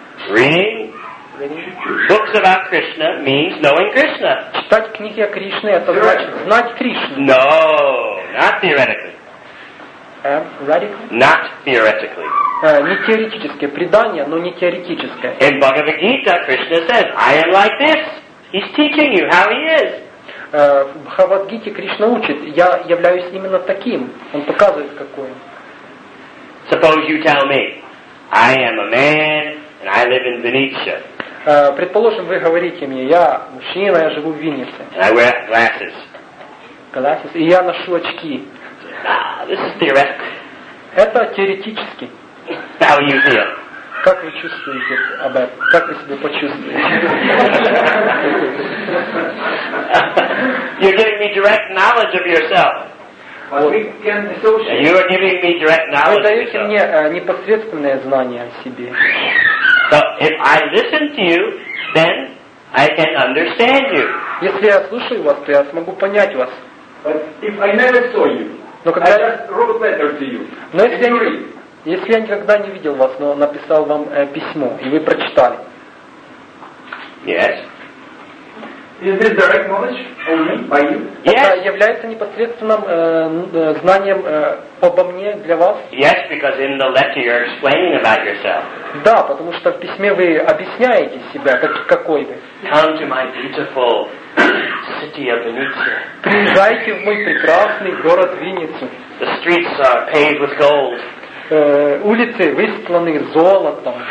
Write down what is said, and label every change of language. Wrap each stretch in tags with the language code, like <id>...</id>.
<en>Reading? Books about Krishna means knowing Krishna.</en> <ru>Читать книги о Кришне это значит знать Кришну.</ru> <en>No, not theoretically. Radically? Not theoretically.</en> <ru>Не теоретическое предание, но не теоретическое.</ru> <en>In Bhagavad Gita, Krishna says, "I am like this." He's teaching you how he is.</en> <ru>В Бхагавад Гите Кришна учит, я являюсь именно таким. Он показывает, какой.</ru> <en>Suppose you tell me, I am a man and I live in Venetia.</en> <ru>Предположим, вы говорите мне, я мужчина, я живу в Виннице.</ru> <en>And I wear glasses. Glasses.</en> <ru>И я ношу очки.</ru> <en>This is theoretical.</en> <ru>Это теоретически.</ru> <en>How you feel?</en> <ru>Как вы чувствуете об этом? Как вы себя почувствуете?</ru> <en>You're giving me direct knowledge of yourself. You are giving me direct knowledge.</en> <ru>Вы даете мне непосредственное знание о себе.</ru> <en>So if I listen to you, then I can understand you.</en> <ru>Если я слушаю вас, то я смогу понять вас.</ru> <en>But if I never saw you,</en> <ru>но когда</ru> <en>I just wrote a letter to you.</en> <ru>Но если я никогда не видел вас, но написал вам письмо и вы прочитали.</ru> <en>Yes. Is this direct knowledge by you? Yes.</en> <ru>Это является непосредственным знанием обо мне для вас?</ru> <en>Yes, because in the letter you're explaining about yourself.</en> <ru>Да, потому что в письме вы объясняете себя, какой вы.</ru> <en>Come to my beautiful city of Venetia.</en> <ru>Приезжайте в мой прекрасный город Винницу.</ru> <en>The streets are paved with gold.</en> <ru>Улицы выстланы золотом.</ru>